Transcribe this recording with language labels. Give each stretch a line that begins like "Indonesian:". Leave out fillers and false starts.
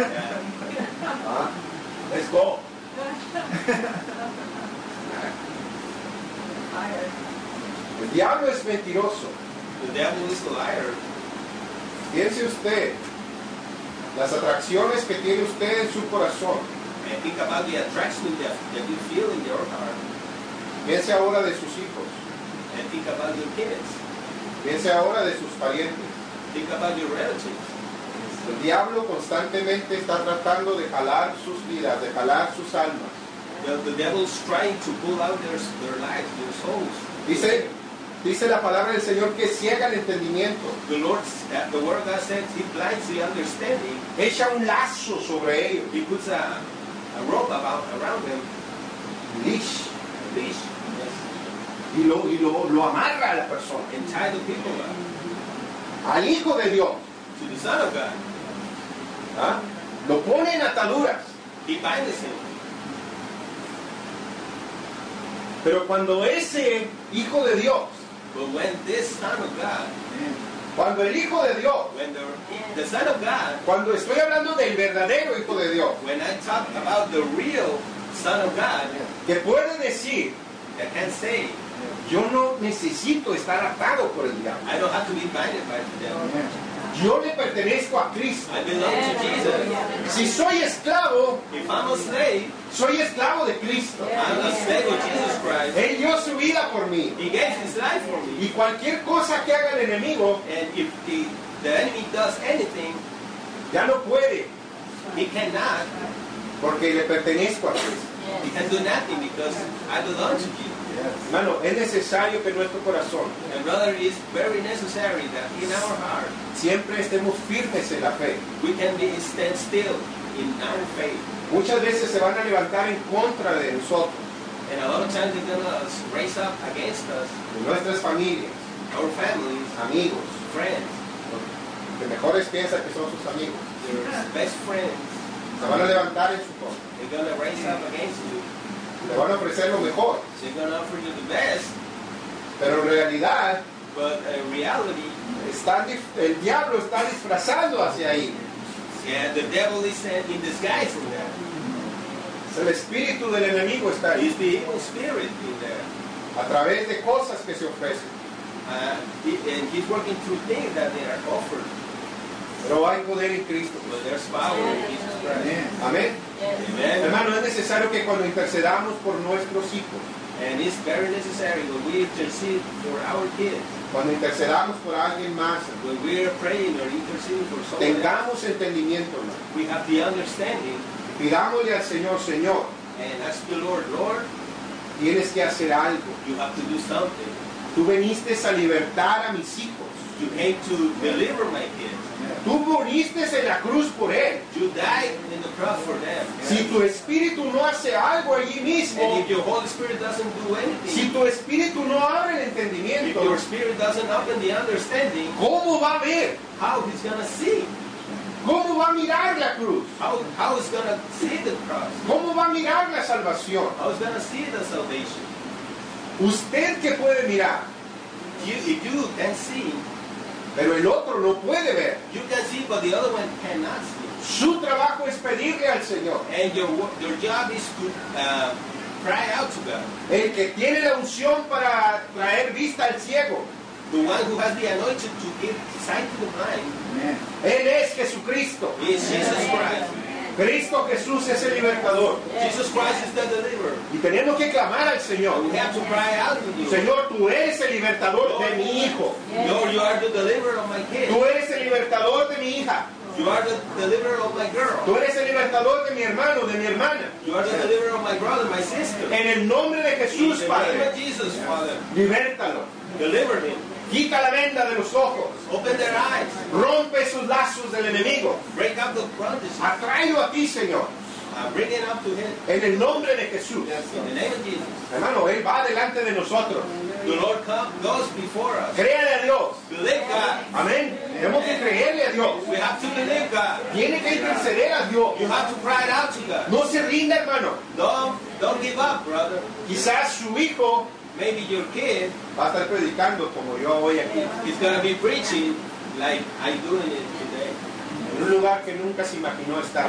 English: Yeah. Let's go.
Spanish: El diablo es mentiroso.
English: The devil is a liar.
Spanish: Piense usted las atracciones que tiene usted en su corazón.
English: And think about the attraction that you feel in your heart.
Spanish: Piense ahora de sus hijos.
English: And think about your kids.
Spanish: Piense ahora de sus parientes.
English: Think about your relatives.
Spanish: El diablo constantemente está tratando de jalar sus vidas, de jalar sus almas.
English: The devil is trying to pull out their lives, their souls.
Spanish: Dice la palabra del Señor que ciega el entendimiento.
English: The Lord, the word of God says, he blinds the understanding.
Spanish: Echa un lazo sobre ellos.
English: He puts a rope about around them. Leash. A leash. Yes.
Spanish: Y lo amarra a la persona.
English: And tie the people up.
Spanish: Al Hijo de Dios.
English: To the Son of God.
Spanish: ¿Ah? Lo pone en ataduras.
English: He binds him.
Spanish: Pero cuando ese Hijo de Dios,
English: but when this Son of God,
Spanish: cuando el Hijo de Dios,
English: when the Son of God,
Spanish: cuando estoy hablando del verdadero Hijo de Dios,
English: when I talk about the real Son of God,
Spanish: que puede decir,
English: that can say,
Spanish: yo no necesito estar atado por el diablo.
English: I don't have to be bided by the devil.
Spanish: Yo le pertenezco a Cristo.
English: I belong to Jesus.
Spanish: Si soy esclavo,
English: if I'm a slave,
Spanish: soy esclavo de Cristo.
English: I'm a slave of Jesus Christ.
Spanish: Él dio su vida por mí.
English: He gave his life for me.
Spanish: Y cualquier cosa que haga el enemigo,
English: and if the enemy does anything,
Spanish: ya no puede.
English: He cannot.
Spanish: Porque le pertenezco a Cristo.
English: He can do nothing because I belong to Jesus.
Spanish: Hermano, es necesario que nuestro corazón,
English: and brother, it is very necessary that in our heart,
Spanish: siempre estemos firmes en la fe.
English: We can be stand still in our faith.
Spanish: Muchas veces se van a levantar en contra de nosotros.
English: And a lot of times they're gonna raise up against us.
Spanish: De nuestras familias.
English: Our families.
Spanish: Amigos.
English: Friends.
Spanish: Que mejores piensan que son sus amigos.
English: Your best friends.
Spanish: Se van a levantar en su contra.
English: They're gonna raise up against you.
Spanish: Le van a ofrecer lo mejor.
English: So going to offer you the best.
Spanish: Pero en realidad,
English: but in reality,
Spanish: el diablo está disfrazado hacia ahí.
English: Yeah, the devil is in disguise from that.
Spanish: So el espíritu del enemigo está ahí.
English: Is the evil spirit in there.
Spanish: A través de cosas que se ofrecen.
English: And he's working through things that they are offered.
Spanish: Pero hay poder en Cristo.
English: But there's power in Jesus Christ.
Spanish: Amén.
English: Amen.
Spanish: Hermano, es necesario que cuando intercedamos por nuestros hijos,
English: and it's very necessary when we intercede for our kids,
Spanish: cuando intercedamos por alguien más,
English: when we are praying or interceding for someone,
Spanish: tengamos entendimiento, hermano.
English: We have the understanding.
Spanish: Pidámosle al Señor, Señor,
English: and ask the Lord, Lord,
Spanish: tienes que hacer algo.
English: You have to do something.
Spanish: Tú viniste a libertar a mis hijos.
English: You came to deliver my kids.
Spanish: Tú moriste en la cruz por él.
English: You died in the cross for them. Yeah.
Spanish: Si tu espíritu no hace algo allí mismo,
English: and if your Holy Spirit doesn't do anything,
Spanish: si tu espíritu no abre el entendimiento,
English: if your spirit doesn't open the understanding,
Spanish: ¿cómo va a ver?
English: How he's gonna see?
Spanish: ¿Cómo va a mirar la cruz?
English: How he's gonna see the cross?
Spanish: ¿Cómo va a mirar la salvación?
English: How he's gonna see the salvation?
Spanish: ¿Usted qué puede mirar?
English: If you can see.
Spanish: Pero el otro no puede ver.
English: You can see, but the other one cannot see.
Spanish: Su trabajo es pedirle al Señor.
English: And your job is to cry out to God.
Spanish: El que tiene la unción para traer vista al ciego.
English: The one who has the anointing to give sight to the blind.
Spanish: Él es Jesucristo.
English: He is Jesus Christ.
Spanish: Cristo Jesús es el libertador.
English: Jesus Christ is the deliverer.
Spanish: Y tenemos que clamar al Señor.
English: We have to cry out to you.
Spanish: Señor, tú eres el libertador, Lord, de mi hijo.
English: Lord, you are the deliverer of my kid.
Spanish: Tú eres el libertador de mi hija.
English: You are the deliverer of my girl.
Spanish: Tú eres el libertador de mi hermano, de mi hermana.
English: You are the deliverer of my brother, my sister.
Spanish: En el nombre de Jesús,
English: in the name
Spanish: Padre.
English: Of Jesus, Father.
Spanish: Libértalo.
English: Deliver him.
Spanish: Quita la venda de los ojos.
English: Open their eyes.
Spanish: Rompe sus lazos del enemigo.
English: Break up the bondage.
Spanish: Atráelo a ti, Señor.
English: bring it up to him.
Spanish: En el nombre de Jesús.
English: Yes, in the name of Jesus.
Spanish: Hermano, él va delante de nosotros.
English: The Lord goes before us.
Spanish: Créale a Dios.
English: Believe God.
Spanish: Amén. Tenemos que creerle a Dios.
English: We have to believe God.
Spanish: Tiene que interceder a Dios.
English: You have to cry it out to God.
Spanish: No se rinda, hermano.
English: Don't give up, brother.
Spanish: Quizás su hijo,
English: maybe your kid,
Spanish: va a estar predicando como yo hoy aquí.
English: He's going to be preaching like I'm doing it today.
Spanish: En un lugar que nunca se imaginó estar.